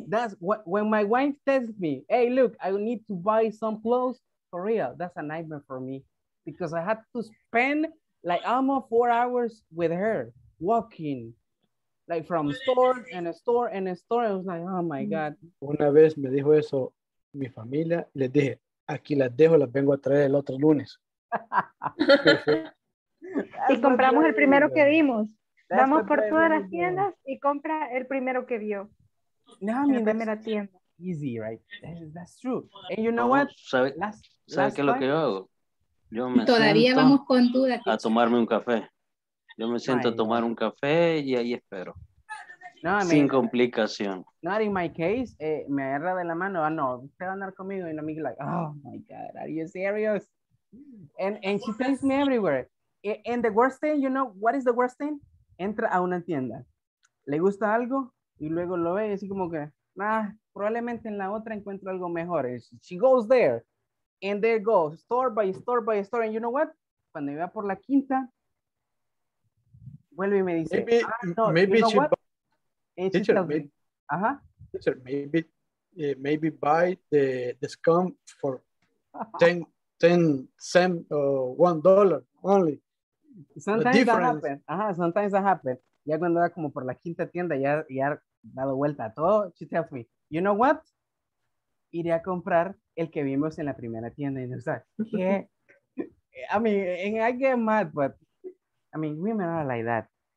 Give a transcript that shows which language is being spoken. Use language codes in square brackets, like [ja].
[en] That's what when my wife tells me, hey, look, I need to buy some clothes for real. That's a nightmare for me because I had to spend like almost 4 hours with her walking, like from store and a store and a store. I was like, oh my God. [es] Una vez me dijo eso mi familia, les dije, aquí las dejo, las vengo a traer el otro lunes. Y compramos el primero que vimos. Vamos por todas las tiendas y compra el primero que vio. [en] No, I mean, that's easy, right? That's true. And you know what? [es] ¿Sabe qué es lo que yo hago? Yo me todavía vamos con dudas. A tomarme un café. Yo me siento a tomar un café y ahí espero. [en] No, I mean, [es] sin complicación. [en] Not in my case. [es] Me agarra de la mano. Ah, no. Usted va a andar conmigo. Y la amiga [en] like, oh, my God. Are you serious? And she takes me everywhere. And the worst thing, you know, what is the worst thing? [es] Entra a una tienda. ¿Le gusta algo? Y luego lo ve y así como que, nah, probablemente en la otra encuentro algo mejor. [en] She goes there. And there goes, store by store by store. And you know what? [es] Cuando iba por la quinta, vuelve y me dice, [en] maybe, [es] ah, no, [en] maybe you know teacher, maybe buy the scum for 10 cents or $1 only. Sometimes that happens. [es] Ajá, [en] sometimes that happens. [es] Ya cuando va como por la quinta tienda, ya dado vuelta a todo, [en] she tells me, you know what? [es] Iré a comprar el que vimos en la primera tienda. [en] And it's like, [es] ¿qué? [en] I mean, and I get mad, but I mean, women are like that.